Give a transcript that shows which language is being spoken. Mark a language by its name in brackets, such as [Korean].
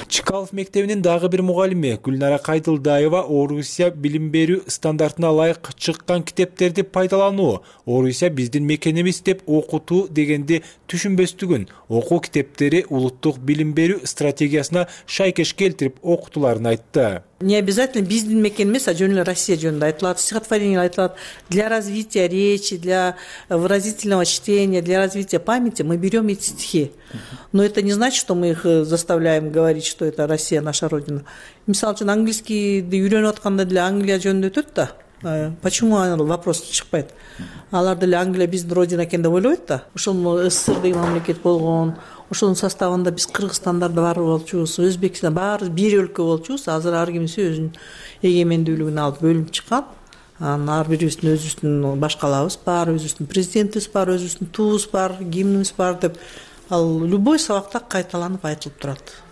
[Kyrgyz] Чкалов мектебинин дагы бир мугалими Гүлнара Кайдылдаева Орусия билим берүү стандартына ылайык чыккан китептерди пайдалануу, Орусия биздин мекенибиз деп окутуу дегенди түшүнбөстүгүн, окуу китептери улуттук билим берүү стратегиясына шайкеш келтирип окутууларын айтты. [Russian] Не обязательно [Kyrgyz] биздин мекен эмес, а жөн эле Россия жөнүндө айтылат, стихотворение айтылат. [Russian] Для развития речи, для выразительного чтения, для развития памяти мы берем эти стихи. Но это не значит, что мы их заставляем говорить, что это Россия, наша родина. [Kyrgyz] Мисалы үчүн англискийди үйрөнүп атканда деле Англия жөнүндө өтөт да. [Russian] Почему вопрос [Kyrgyz] чыкпайт? Алар деле Англия биздин родина экен деп ойлобойт да. Ошол СССР деген мамлекет болгон. Ошонун составында биз кыргызстандар да бар болчубуз, өзбекстан баары бир өлкө болчубуз. Азыр ар кимиси өзүнүн эгемендүүлүгүн алып бөлүнүп чыккан. Анан ар бирибиздин өзүбүздүн башкалабыз бар, өзүбүздүн президентибиз бар, өзүбүздүн туубуз бар, гимнибиз бар деп ал любой сабакта кайталанып айтылып турат.